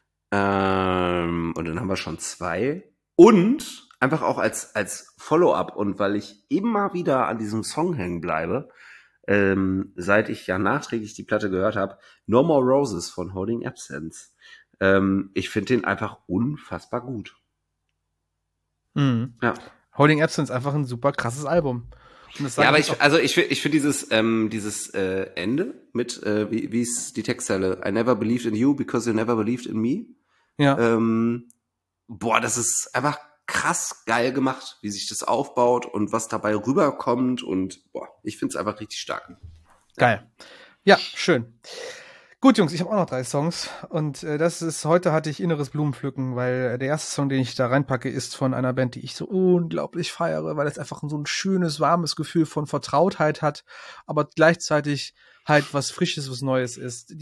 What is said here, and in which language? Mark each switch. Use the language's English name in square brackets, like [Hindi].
[German] Und dann haben wir schon zwei. Und einfach auch als Follow-up und weil ich immer wieder an diesem Song hängen bleibe, seit ich ja nachträglich die Platte gehört habe, No More Roses von Holding Absence. Ich finde den einfach unfassbar gut. Mhm. Ja. Holding Absence, einfach ein super krasses Album. Ja, aber ich finde dieses Ende mit, wie ist die Textzeile? [English] I never believed in you because you never believed in me. [German] Ja. Boah, das ist einfach krass geil gemacht, wie sich das aufbaut und was dabei rüberkommt und boah, ich find's einfach richtig stark. Geil. Ja, schön. Gut, Jungs, ich habe auch noch drei Songs und das ist, heute hatte ich inneres Blumenpflücken, weil der erste Song, den ich da reinpacke, ist von einer Band, die ich so unglaublich feiere, weil es einfach so ein schönes, warmes Gefühl von Vertrautheit hat, aber gleichzeitig halt was Frisches, was Neues ist.